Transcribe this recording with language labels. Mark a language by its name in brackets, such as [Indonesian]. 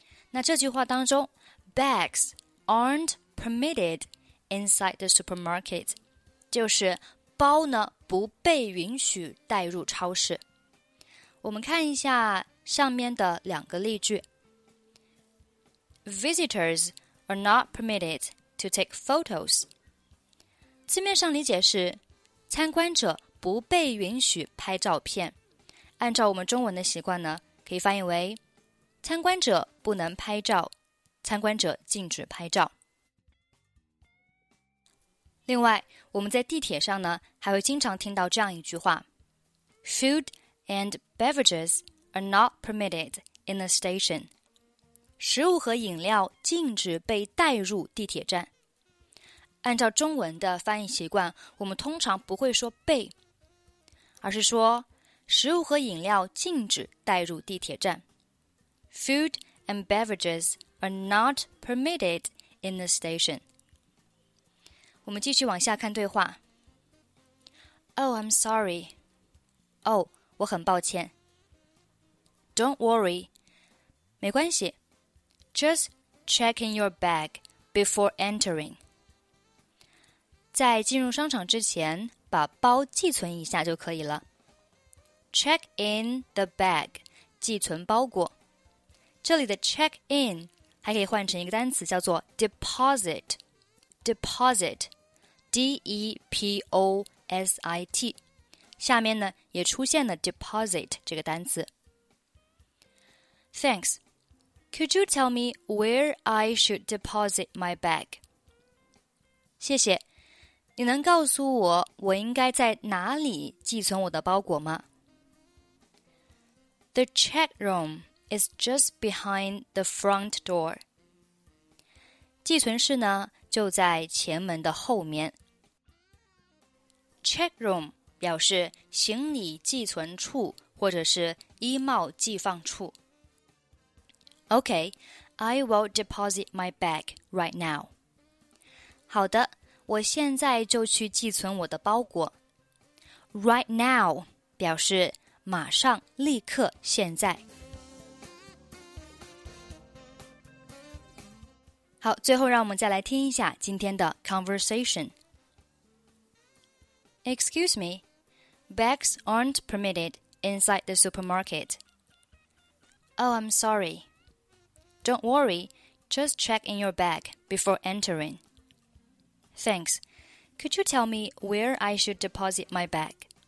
[Chinese] 那这句话当中 [English] bags aren't permitted inside the supermarket [Chinese] 就是包呢不被允许带入超市。我们看一下上面的两个例句。 [English] Visitors are not permitted to take photos. [Chinese] 字面上理解是参观者不被允许拍照片。按照我们中文的习惯呢可以翻译为参观者不能拍照，参观者禁止拍照。另外，我们在地铁上呢，还会经常听到这样一句话 [English] ：Food and beverages are not permitted in the station. [Chinese] 食物和饮料禁止被带入地铁站。按照中文的翻译习惯，我们通常不会说被，而是说食物和饮料禁止带入地铁站。 [English] Food and beverages are not permitted in the station. [Chinese] 我们继续往下看对话。 [English] Oh, I'm sorry. [Chinese] 哦、oh, ，我很抱歉。 [English] Don't worry. [Chinese] 没关系。 [English] Just checking your bag before entering. [Chinese] 在进入商场之前，把包寄存一下就可以了。 [English] Check in the bag. [Chinese] 寄存包裹。这里的 check in 还可以换成一个单词叫做 deposit [English] deposit D-E-P-O-S-I-T [Chinese] 下面呢也出现了 deposit 这个单词 [English] Thanks Could you tell me where I should deposit my bag? [Chinese] 谢谢你能告诉我我应该在哪里寄存我的包裹吗 [English] The check roomIs just behind the front door. [Chinese] 寄存室呢，就在前门的后面。 Check room 表示行李寄存处或者是衣帽寄放处。 [English] Okay, I will deposit my bag right now. [Chinese] 好的，我现在就去寄存我的包裹。 [English] Right now [Chinese] 表示马上、立刻、现在。好，最后让我们再来听一下今天的 conversation. [English] Excuse me, bags aren't permitted inside the supermarket. Oh, I'm sorry. Don't worry, just check in your bag before entering. Thanks. Could you tell me where I should deposit my bag?